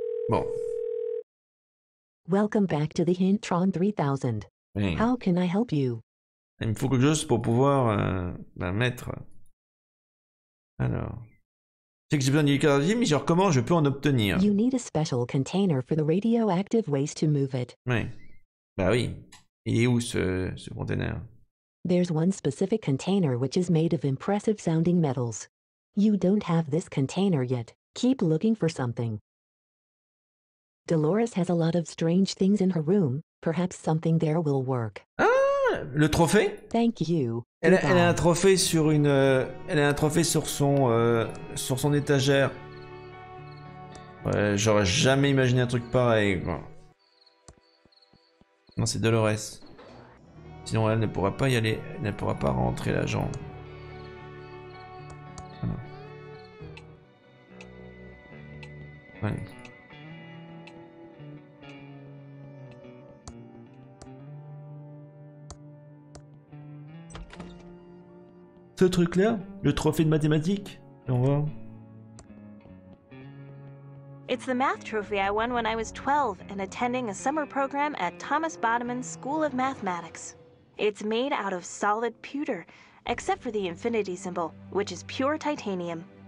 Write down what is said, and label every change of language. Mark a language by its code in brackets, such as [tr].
[en] Bon. Welcome back to the Hintron 3000. [fr] Oui. [en] How can I help you? [fr] Il me faut quelque chose pour pouvoir mettre. Alors. Je sais que j'ai besoin d'une carte, mais genre comment je peux en obtenir? [en] You need a special container for the radioactive waste to move it. [fr] Oui. Bah oui. Il est où ce container? [en] There's one specific container which is made of impressive sounding metals. You don't have this container yet. Keep looking for something. Dolores has a lot of strange things in her room. Perhaps something there will work. [fr] Ah, le trophée? [en] Thank you. [fr] Elle a un trophée sur une. Elle a un trophée sur son étagère. Ouais, j'aurais jamais imaginé un truc pareil. Quoi. Non, c'est Dolores. Sinon, elle ne pourra pas y aller. Elle ne pourra pas rentrer la jambe. Voilà. Allez. Ce truc là, le trophée de mathématiques, on va. [en] It's the math trophy I won when I was 12 and attending a summer program at Thomas Bodeman School of Mathematics. It's made out of solid pewter, except for the infinity symbol, which is pure titanium.